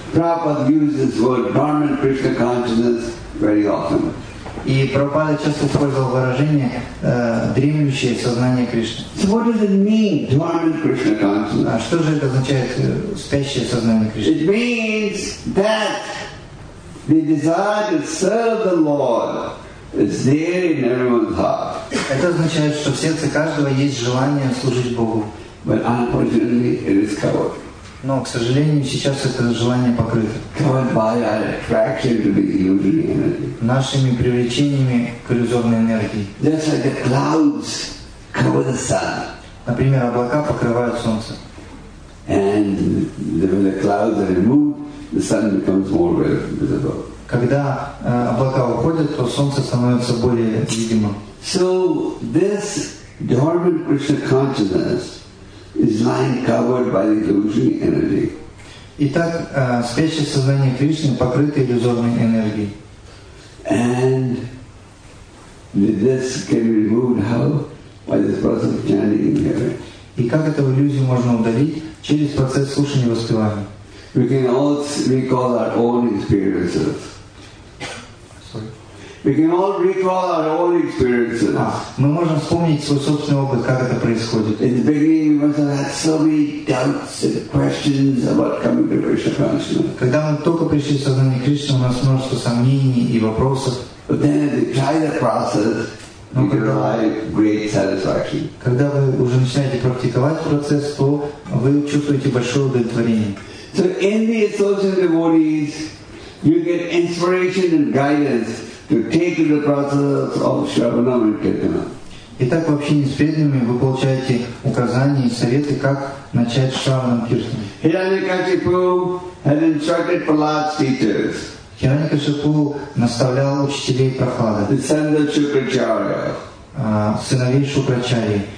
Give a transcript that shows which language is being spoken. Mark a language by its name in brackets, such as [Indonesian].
[English] Prabhupada uses the word dormant Krishna consciousness very often. [Russian] И Прабхупада часто использовал выражение дремлющее сознание Кришны. [English] So what does it mean, dormant Krishna consciousness? [Russian] А что же это означает спящее сознание Кришны? [English] It means that the desire to serve the Lord is there in everyone's heart. [Russian] Это означает, что в сердце каждого есть желание служить Богу. [English] But unfortunately, it is covered. [Russian] Но, к сожалению, сейчас это желание покрыто. [English] Covered by our attraction to the illusory energy. [Russian] Нашими привлечениями к иллюзорной энергии. [English] Just like the clouds cover the sun. [Russian] Например, облака покрывают солнце. [English] And when the clouds are removed, the sun becomes more visible. [Russian] Когда облака уходят, то солнце становится более видимым. [English] So this dormant Krishna consciousness is lying covered by the illusory energy. [Russian] Итак, спящее сознание Кришны покрыто иллюзорной энергией. [English] And with this can be removed how? By this process of chanting in heaven. [Russian] И как эту иллюзию можно удалить? Через процесс слушания и воспевания. [English] We can all recall our own experiences. We can all recall our own experiences. [Russian] Мы можем вспомнить свой собственный опыт, как это происходит. [English] In the beginning, we must have had so many doubts and questions about coming to Krishna consciousness. [Russian] Когда мы только пришли в сознание Кришны, у нас множество сомнений и вопросов. [English] But then, as you try the process, you can derive great satisfaction. [Russian] Когда вы уже начинаете практиковать процесс, то вы чувствуете большое удовлетворение. [English] So in the associated devotees, you get inspiration and guidance to take to the process of Shravanam and Kirtanam. [Russian] Итак, в общении с преданными вы получаете указания и советы, как начать Шраванам Киртана. [English] Hiranyakashipu had instructed Prahlad's teachers. [Russian] Hiranyakashipu наставлял учителей Прохлада. [English] The sons of Shukracharya. [Russian] Сыновей Шукрачарьи.